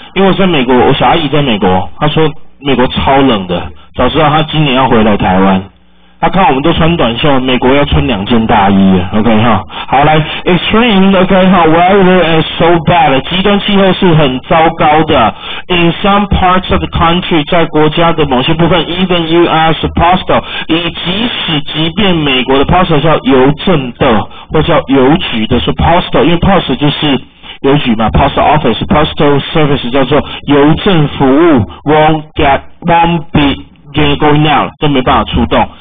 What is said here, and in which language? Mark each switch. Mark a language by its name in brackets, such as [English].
[Chinese] 因为我在美国，我小阿姨在美国，她说美国超冷的。早知道她今年要回来台湾，她看我们都穿短袖，美国要穿两件大衣。 [English] OK 哈，好来 ，extreme，OK、okay, 哈 ，weather is so bad， [Chinese] 极端气候是很糟糕的。 [English] In some parts of the country， [Chinese] 在国家的某些部分 [English] ，even U.S. [Chinese] postal， 以即使即便美国的 postal 叫邮政的，或叫邮局的，是 postal， 因为 post 就是邮局嘛 ，postal office， postal service 叫做邮政服务 ， [English] won't be going out， [Chinese] 都没办法出动。